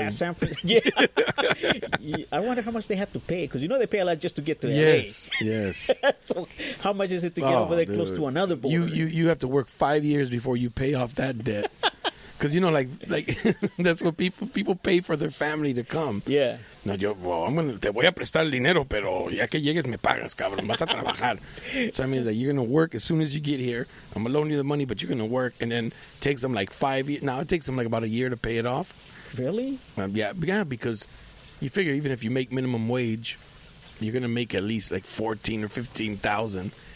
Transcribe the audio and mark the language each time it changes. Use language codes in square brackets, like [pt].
[en] Past San Francisco. Yeah. I wonder how much they have to pay because, you know, they pay a lot just to get to L.A. Yes. So how much is it to get over there close to another border? You have to work 5 years before you pay off that debt. Because, you know, like that's what people pay for their family to come. Yeah. [es] No, yo, [en] well, I'm going to, [es] te voy a prestar el dinero, pero ya que llegues me pagas, cabrón, vas a trabajar. [en] So, I mean, like, you're going to work as soon as you get here. I'm going to loan you the money, but you're going to work. And then takes them like 5 years. Now, it takes them like about a year to pay it off. Really? Yeah, because you figure even if you make minimum wage, you're going to make at least like $14,000 or $15,000.